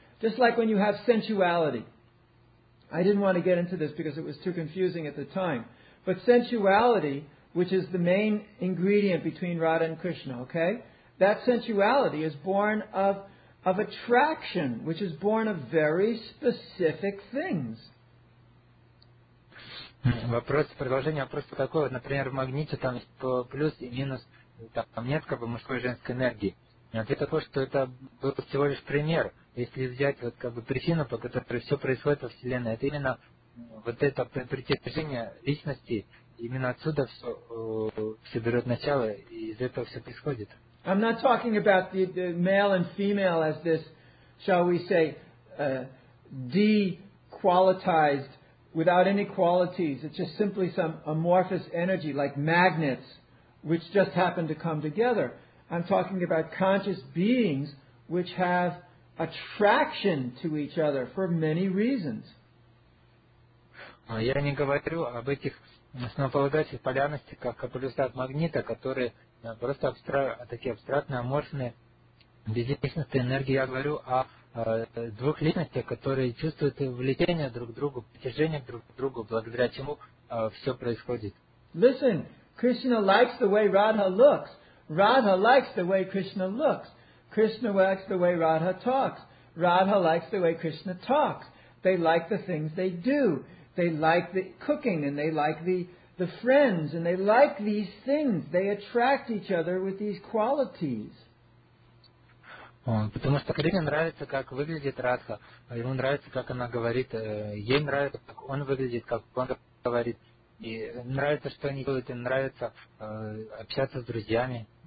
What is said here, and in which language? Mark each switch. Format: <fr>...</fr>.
<en>Just like when you have sensuality. I didn't want to get into this because it was too confusing at the time. But sensuality, which is the main ingredient between Radha and Krishna, okay? That sensuality is born of attraction, which is born of very specific things.</en> <ru>Вопрос, продолжение вопроса такой, вот, например, в магните там плюс и минус, там нет как бы мужской и женской энергии. Ответ такой, что это был всего лишь пример. Если взять вот как бы причину, по которой все происходит во Вселенной, это именно вот это притяжение личности. Именно отсюда все берет начало, и из этого все происходит.</ru> <en>I'm not talking about the male and female as this, shall we say, de-qualitized, without any qualities. It's just simply some amorphous energy, like magnets, which just happen to come together. I'm talking about conscious beings which have attraction to each other for many reasons.</en> <ru>Я не говорю об этих основополагающих полярности, как полюса от магнита, которые просто такие абстрактные, аморфные, безличностные энергии. Я говорю о двух личностях, которые чувствуют влечение друг к другу, притяжение друг к другу, благодаря чему все происходит.</ru> <en>Listen, Krishna likes the way Radha looks. Radha likes the way Krishna looks. Krishna likes the way Radha talks. Radha likes the way Krishna talks. They like the things they do. They like the cooking, and they like the friends, and they like these things. They attract each other with these qualities.</en> <ru>Потому что Кришне нравится, как выглядит Радха. Ему нравится, как она говорит. Ей нравится, как он выглядит, как он говорит. И нравится, что они делают. Им нравится общаться с друзьями.</ru>